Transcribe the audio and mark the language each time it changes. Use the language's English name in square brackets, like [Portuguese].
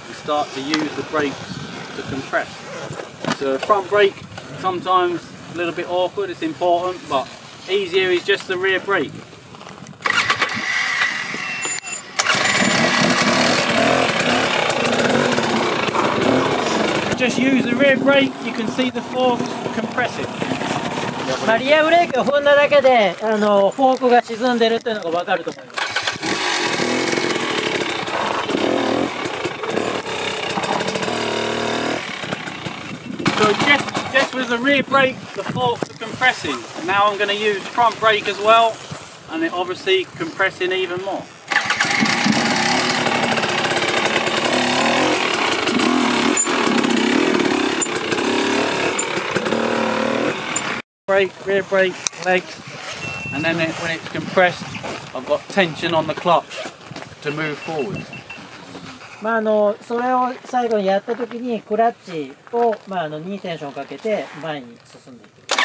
[English] We start to use the brakes to compress. So front brake, sometimes a little bit awkward, it's important, but easier is just the rear brake. Just use the rear brake, you can see the force compressing. [Japanese] まあ、リアブレーキを踏んだだけでフォークが沈んでるっていうのが分かると思います。 [English] So just with the rear brake, the forks are compressing. Now I'm going to use front brake as well, and it obviously compressing even more. brake, rear brake, legs, and then it, when it's compressed, I've got tension on the clutch to move forward. [Japanese] まああのそれを最後にやった時にクラッチをまああの2テンションかけて前に進んでいく。